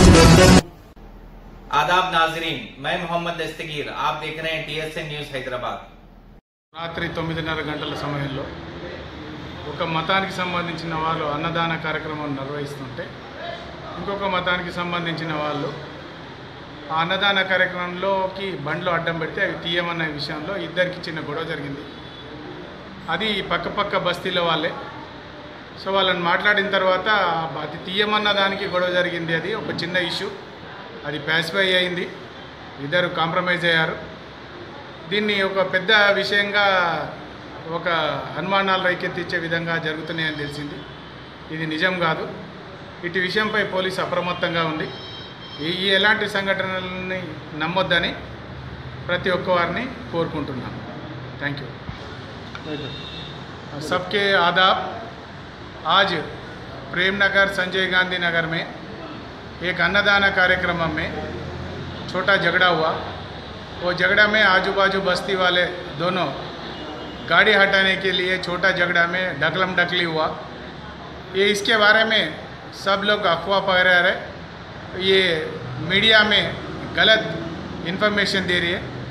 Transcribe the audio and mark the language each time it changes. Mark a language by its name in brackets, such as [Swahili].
[Hindi] नाजरीन, मैं मोहम्मद दस्तगीर, आप देख रहे हैं टीएसए न्यूज हैदराबाद। [Telugu] रात्रि 9:30 గంటల సమయంలో ఒక మతానికి సంబంధించిన వాళ్ళు అన్నదాన కార్యక్రమం నిర్వహిస్తుంటే ఇంకొక మతానికి సంబంధించిన వాళ్ళు ఆ అన్నదాన కార్యక్రమంలోకి బండ్లు అడ్డం పెడితే అవి తీయమన్న విషయంలో ఇద్దరికి చిన్న గొడవ జరిగింది. అది పక్కపక్క బస్తీల వాళ్ళే. సో వాళ్ళని మాట్లాడిన తర్వాత అది తీయమన్న దానికి గొడవ జరిగింది. అది ఒక చిన్న ఇష్యూ, అది పాసిఫై అయింది, ఇద్దరు కాంప్రమైజ్ అయ్యారు. దీన్ని ఒక పెద్ద విషయంగా ఒక అనుమానాలు రేకెత్తించే విధంగా జరుగుతున్నాయని తెలిసింది. ఇది నిజం కాదు. ఇటు విషయంపై పోలీసు అప్రమత్తంగా ఉంది. ఈ ఎలాంటి సంఘటనల్ని నమ్మొద్దని ప్రతి ఒక్క వారిని కోరుకుంటున్నాను. Thank you. [Hindi] సబ్కే ఆదాబ్. ఆజ్ ప్రేమ్ నగర్ సంజయ్ గాంధీ నగర్ మే ఏక్ అన్నదాన కార్యక్రమం మే ఛోటా జగడా హువా. वो झगड़ा में आजू बाजू बस्ती वाले दोनों गाड़ी हटाने के लिए छोटा झगड़ा में ढकलम ढकली हुआ. ये इसके बारे में सब लोग अफवाह पकड़ रहे, ये मीडिया में गलत इन्फॉर्मेशन दे रही है.